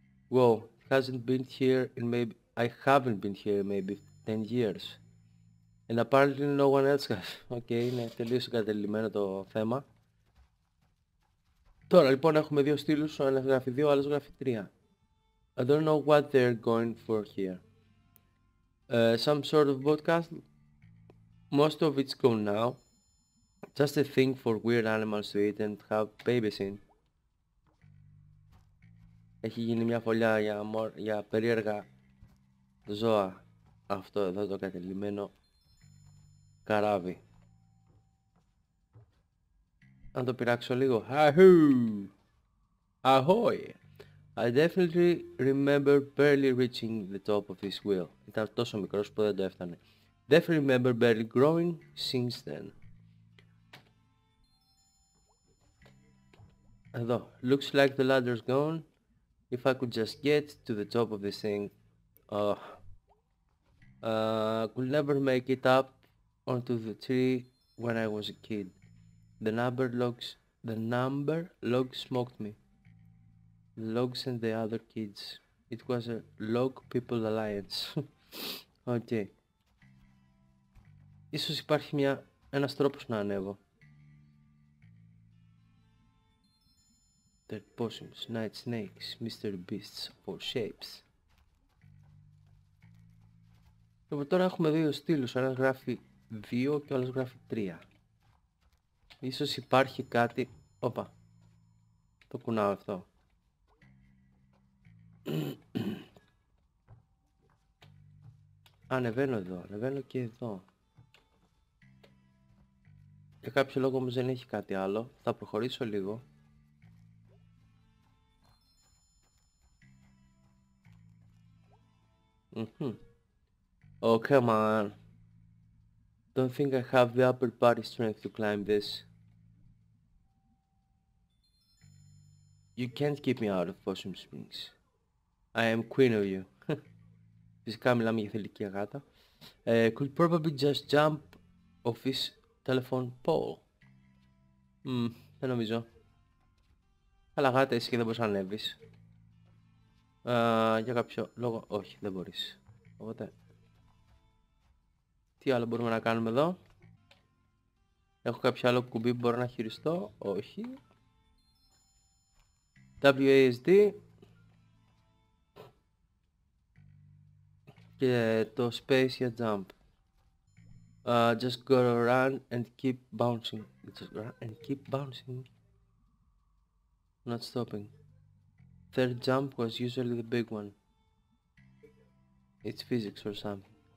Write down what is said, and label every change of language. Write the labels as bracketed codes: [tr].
[en] Wow, hasn't been here in maybe... I haven't been here in maybe 10 years. And apparently no one else has. [el] Okay, είναι τελείως εγκατελειμμένο το θέμα. Τώρα, λοιπόν, έχουμε δύο στήλους, ο ένας γράφει 2, ο άλλος γράφει 3. [en] I don't know what they're going for here. Some sort of broadcast. Most of it's gone now. Just a thing for weird animals to eat and have babies in. [el] Έχει γίνει μια φωλιά για περίεργα ζώα. Αυτό εδώ το κατελημένο καράβι. Αν το πειράξω λίγο. Ahoo! Ahoy! [en] I definitely remember barely reaching the top of this wheel. [el] Ήταν τόσο μικρός που δεν το έφτανε. [en] Definitely remember barely growing since then. Εδώ. Looks like the ladder's gone. If I could just get to the top of this thing. Oh. Could never make it up onto the tree when I was a kid. The number log smoked me. The logs and the other kids. It was a log people alliance. Okay. [el] Ίσως υπάρχει ένας τρόπος να ανέβω. [en] Dead possums, night snakes, mystery beasts or shapes. [el] Λοιπόν, τώρα έχουμε δύο στήλους, ένας γράφει 2 και ο άλλος γράφει 3. Ίσως υπάρχει κάτι... Όπα. Το κουνάω αυτό. Ανεβαίνω εδώ, ανεβαίνω και εδώ. Για κάποιο λόγο όμως δεν έχει κάτι άλλο. Θα προχωρήσω λίγο. [en] Oh, come on. Don't think I have the upper body strength to climb this. You can't keep me out of Possum Springs. I am queen of you. [el] Φυσικά μιλάμε για θηλυκή αγάτα. [en] Could probably just jump off this telephone pole. [el] Δεν νομίζω. Αλλά γάτα εσύ και δεν μπορείς να ανέβεις. Για κάποιο λόγο, όχι, δεν μπορείς. Οπότε... Τι άλλο μπορούμε να κάνουμε εδώ? Έχω κάποιο άλλο κουμπί που μπορώ να χειριστώ? Όχι. WASD. Και το space για jump. [en] Just gotta run and keep bouncing. Just run and keep bouncing. Not stopping. Third jump was usually the big one. It's physics or something.